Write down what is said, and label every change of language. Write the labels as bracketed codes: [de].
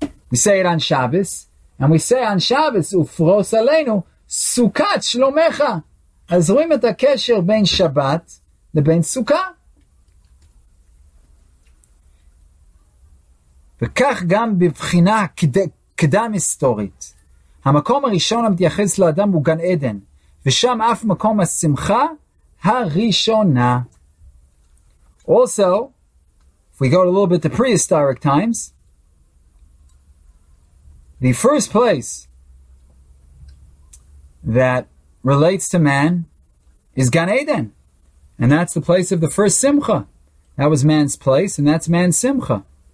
[en] We say it on Shabbos. And we say on Shabbos [he] Ufros Aleinu Sukkah Shlomecha. [en] As we met a [he] kesher ben Shabbat [en] the ben Sukkah. [he] V'kach gam b'vchina קדם היסטורית. המקום הראשון המתייחס לאדם הוא גן עדן, ושם אף מקום השמחה הראשונה. [en] Also, if we go a little bit to prehistoric times, the first place that relates to man is גן עדן. And that's the place of the first simcha. That was man's place, and that's man's simcha.